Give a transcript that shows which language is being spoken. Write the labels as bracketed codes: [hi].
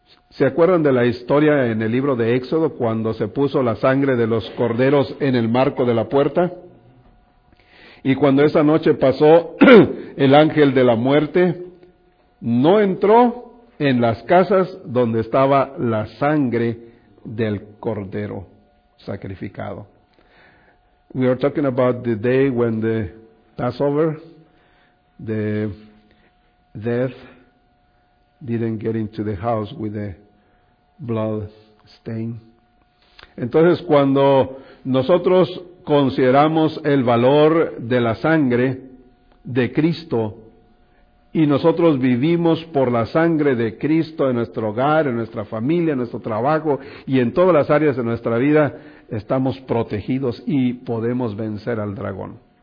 [es] ¿Se acuerdan de la historia en el libro de Éxodo cuando se puso la sangre de los corderos en el marco de la puerta? Y cuando esa noche pasó el ángel de la muerte, no entró en las casas donde estaba la sangre del cordero sacrificado. [en] We are talking about the day when the Passover, the death didn't get into the house with the blood stain. [es] Entonces, cuando nosotros consideramos el valor de la sangre de Cristo y nosotros vivimos por la sangre de Cristo en nuestro hogar, en nuestra familia, en nuestro trabajo y en todas las áreas de nuestra vida, estamos protegidos y podemos vencer al dragón.